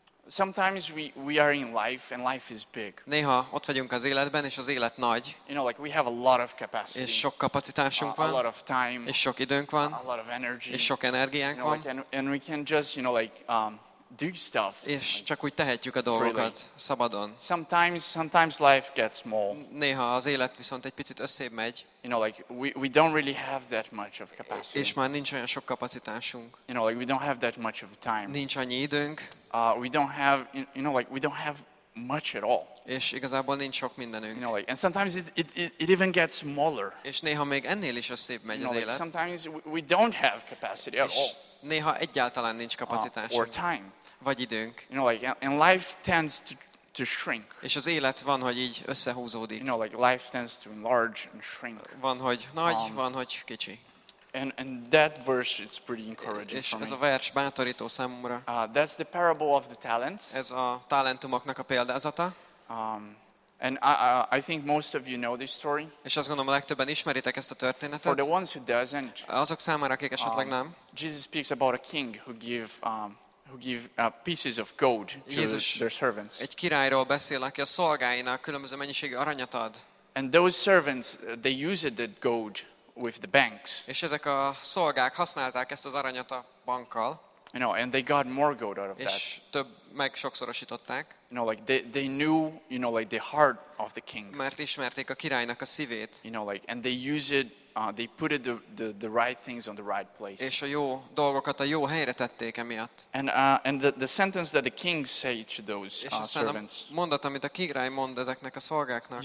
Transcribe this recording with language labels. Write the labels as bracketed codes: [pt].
[en] Sometimes we are in life and life is big. [hu] Néha ott vagyunk az életben és az élet nagy. [en] You know, like we have a lot of capacity. [hu] És sok kapacitásunk van. [en] A lot of time. [hu] És sok időnk van. [en] A lot of energy. [hu] És sok energiánk van. [en] You know, like, and we can just, you know, like do stuff. [hu] És csak úgy tehetjük a dolgokat szabadon. [en] Sometimes life gets small. [hu] Néha az élet viszont egy picit összébb megy. [en] You know, like we don't really have that much of capacity. [hu] És már nincs olyan sok kapacitásunk. [en] You know, like we don't have that much of time. [hu] Nincs annyi időnk. [en] We don't have, you know, like we don't have much at all. [hu] És igazából nincs sok mindenünk. [en] You know, like, and sometimes it even gets smaller. [hu] És néha még ennél is összébb megy az élet. [en] Sometimes we don't have capacity at all. [hu] Néha egyáltalán nincs kapacitásunk. [en] Or time. [hu] Vagy időnk. [en] You know, like, and life tends to shrink. [hu] És az élet van, hogy így összehúzódik. [en] You know, like life tends to enlarge and shrink. [hu] Van, hogy nagy, van, hogy kicsi. [en] And that verse is pretty encouraging for me. [hu] És ez a vers bátorító számomra. [en] That's the parable of the talents. [hu] Ez a talentumoknak a példázata. [en] And I think most of you know this story. [hu] És azt gondolom, a legtöbben ismeritek ezt a történetet. [en] For the ones who doesn't. [hu] Azok számára, akik esetleg nem. [en] Jesus speaks about a king who give pieces of gold to [hu] Jézus [en] their servants. [hu] Egy királyról beszél, aki a szolgáinak különböző mennyiségű aranyat ad. [en] And those servants, they used that gold with the banks. [hu] És ezek a szolgák használták ezt az aranyat a bankkal. [en] You know, and they got more gold out of [hu] és [en] that. [hu] Több meg sokszorosították. [en] You know, like they knew, you know, like the heart of the king. [hu] Mert ismerték a királynak a szívét. [en] You know, like, and they used it, they put it the right things on the right place. [hu] És a jó dolgokat a jó helyre tették emiatt. [en] And the sentence that the king said to those servants. [hu] Mondat, amit a király mond ezeknek a szolgáknak.